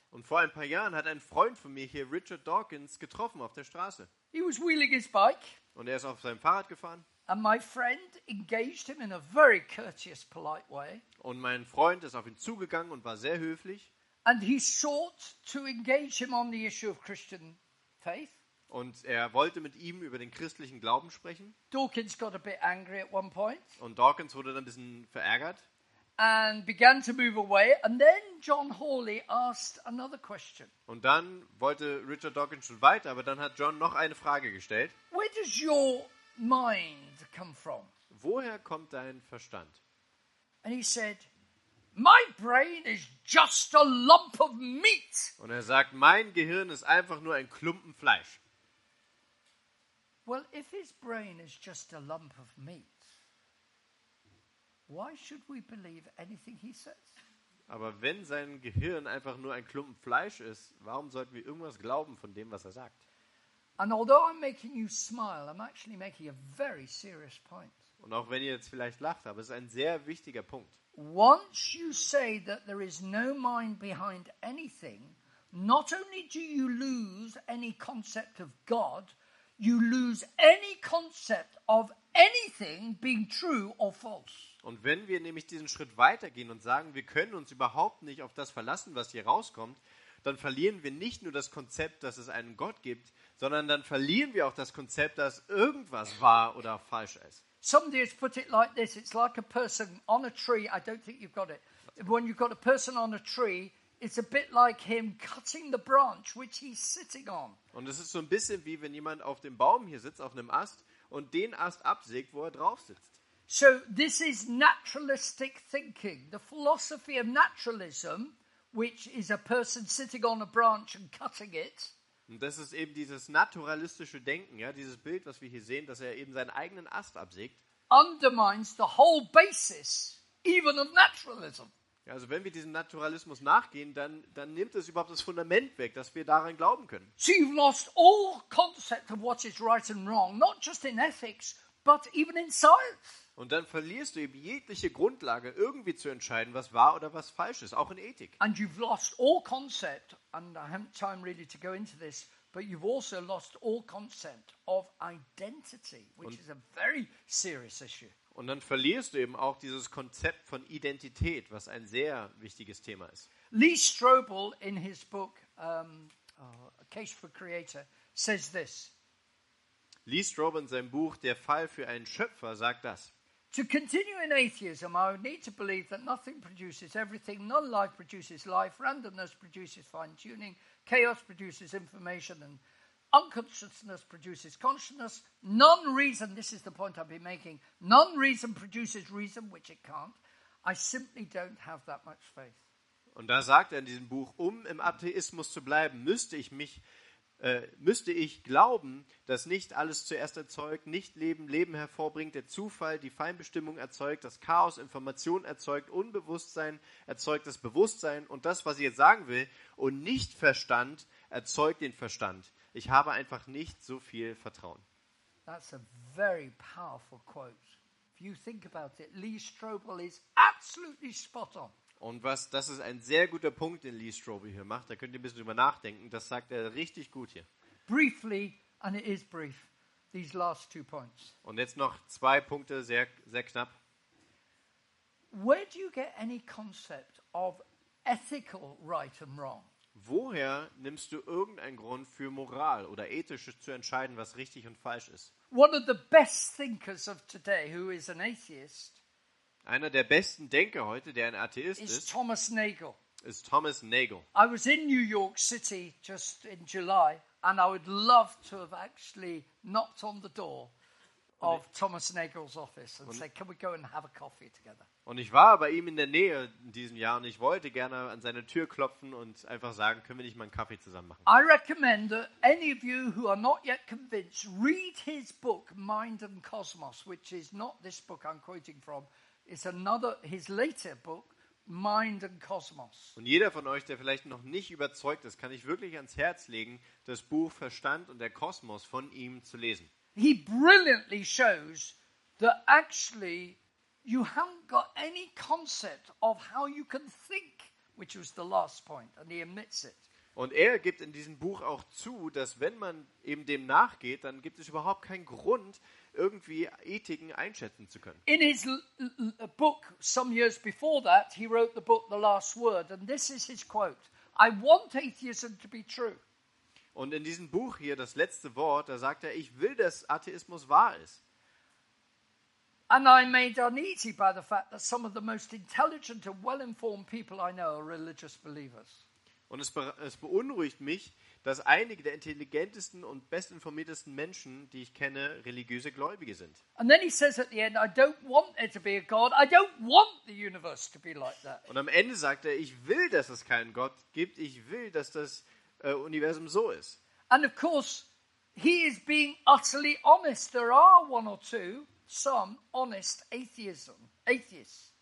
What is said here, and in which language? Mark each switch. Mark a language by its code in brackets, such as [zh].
[de] Und vor ein paar Jahren hat ein Freund von mir hier Richard Dawkins getroffen auf der Straße. [en] He was wheeling his bike. [de] Und er ist auf seinem Fahrrad gefahren. [en] And my friend engaged him in a very courteous, polite way. [de] Und mein Freund ist auf ihn zugegangen und war sehr höflich. [en] And he sought to engage him on the issue of Christian faith. [de] Und er wollte mit ihm über den christlichen Glauben sprechen. [en] Dawkins got a bit angry at one point. [de] Und Dawkins wurde dann ein bisschen verärgert. [en] And began to move away, and then John Hawley asked another question. [de] Und dann wollte Richard Dawkins schon weiter, aber dann hat John noch eine Frage gestellt. [en] Where does your mind come from? [de] Woher kommt dein Verstand? [en] And he said, my brain is just a lump of meat. [de] Und er sagt, mein Gehirn ist einfach nur ein Klumpen Fleisch. [en] Well, if his brain is just a lump of meat, why should we believe anything he says? [de] Aber wenn sein Gehirn einfach nur ein Klumpen Fleisch ist, warum sollten wir irgendwas glauben von dem, was er sagt? [en] And although I'm making you smile, I'm actually making a very serious point. [de] Und auch wenn ihr jetzt vielleicht lacht, aber es ist ein sehr wichtiger Punkt. [en] Once you say that there is no mind behind anything, not only do you lose any concept of God, you lose any concept of anything being true or false. [de] Und wenn wir nämlich diesen Schritt weitergehen und sagen, wir können uns überhaupt nicht auf das verlassen, was hier rauskommt, dann verlieren wir nicht nur das Konzept, dass es einen Gott gibt, sondern dann verlieren wir auch das Konzept, dass irgendwas wahr oder falsch ist. [en] Somebody has put it like this, it's like a person on a tree, I don't think you've got it. When you've got a person on a tree, it's a bit like him cutting the branch, which he's sitting on. [de] Und es ist so ein bisschen wie, wenn jemand auf dem Baum hier sitzt, auf einem Ast, und den Ast absägt, wo er drauf sitzt. [en] So this is naturalistic thinking. The philosophy of naturalism, which is a person sitting on a branch and cutting it. [de] Und das ist eben dieses naturalistische Denken, ja, dieses Bild, was wir hier sehen, dass er eben seinen eigenen Ast absägt. [en] Undermines the whole basis even of naturalism. [de] Ja, also wenn wir diesem Naturalismus nachgehen, dann nimmt es überhaupt das Fundament weg, dass wir daran glauben können. [en] So you've lost all concept of what is right and wrong, not just in ethics, but even in science. [de] Und dann verlierst du eben jegliche Grundlage, irgendwie zu entscheiden, was wahr oder was falsch ist, auch in Ethik. [en] And you've lost all concept, and I haven't time really to go into this, but you've also lost all concept of identity, which is a very serious issue. [de] Und dann verlierst du eben auch dieses Konzept von Identität, was ein sehr wichtiges Thema ist. [en] Lee Strobel in his book A Case for Creator says this. [de] liest Rob in seinem Buch Der Fall für einen Schöpfer, sagt das. [en] To continue in atheism, I would need to believe that nothing produces everything, non-life produces life, randomness produces fine-tuning, chaos produces information, and unconsciousness produces consciousness. Non-reason, this is the point I've been making, non-reason produces reason, which it can't. I simply don't have that much faith. [de] Und da sagt er in diesem Buch, um im Atheismus zu bleiben, müsste ich glauben, dass nicht alles zuerst erzeugt, nicht Leben, Leben hervorbringt, der Zufall, die Feinbestimmung erzeugt, das Chaos, Information erzeugt, Unbewusstsein erzeugt das Bewusstsein und das, was ich jetzt sagen will, und nicht Verstand erzeugt den Verstand. Ich habe einfach nicht so viel Vertrauen. [en] That's a very powerful quote. If you think about it, Lee Strobel is absolutely spot on. [de] Und was, das ist ein sehr guter Punkt, den Lee Strobel hier macht. Da könnt ihr ein bisschen drüber nachdenken. Das sagt er richtig gut hier. [en] Briefly, and it is brief, these last two points. [de] Und jetzt noch zwei Punkte, sehr, sehr knapp. [en] Where do you get any concept of ethical right and wrong? [de] Woher nimmst du irgendeinen Grund für Moral oder ethisch zu entscheiden, was richtig und falsch ist? [en] One of the best thinkers of today, who is an atheist, [de] einer der besten Denker heute, der ein Atheist ist, [en] Thomas Nagel. [de] Ist Thomas Nagel. [en] I was in New York City just in July and I would love to have actually knocked on the door of Thomas Nagel's office and said, can we go and have a coffee together? [de] Und ich war bei ihm in der Nähe in diesem Jahr und ich wollte gerne an seine Tür klopfen und einfach sagen, können wir nicht mal einen Kaffee zusammen machen? [en] I recommend that any of you who are not yet convinced, read his book Mind and Cosmos, which is not this book I'm quoting from. It's another, his later book, Mind and Cosmos. [de] Und jeder von euch, der vielleicht noch nicht überzeugt ist, kann ich wirklich ans Herz legen, das Buch Verstand und der Kosmos von ihm zu lesen. [en] He brilliantly shows that actually you haven't got any concept of how you can think, which was the last point, and he admits it. [de] Und er gibt in diesem Buch auch zu, dass wenn man eben dem nachgeht, dann gibt es überhaupt keinen Grund, irgendwie Ethiken einschätzen zu können. [en] In his book some years before that, he wrote the book The Last Word, and this is his quote: I want atheism to be true. [de] Und in diesem Buch hier, Das letzte Wort, da sagt er, ich will, dass Atheismus wahr ist. [en] And I'm made uneasy by the fact that some of the most intelligent and well-informed people I know are religious believers. [de] Und es beunruhigt mich, dass einige der intelligentesten und bestinformiertesten Menschen, die ich kenne, religiöse Gläubige sind. [en] And then he says at the end, I don't want there to be a God. I don't want the universe to be like that. [de] Und am Ende sagt er, ich will, dass es keinen Gott gibt. Ich will, dass das Universum so ist. [en] And of course, he is being utterly honest. There are one or two, some honest atheists.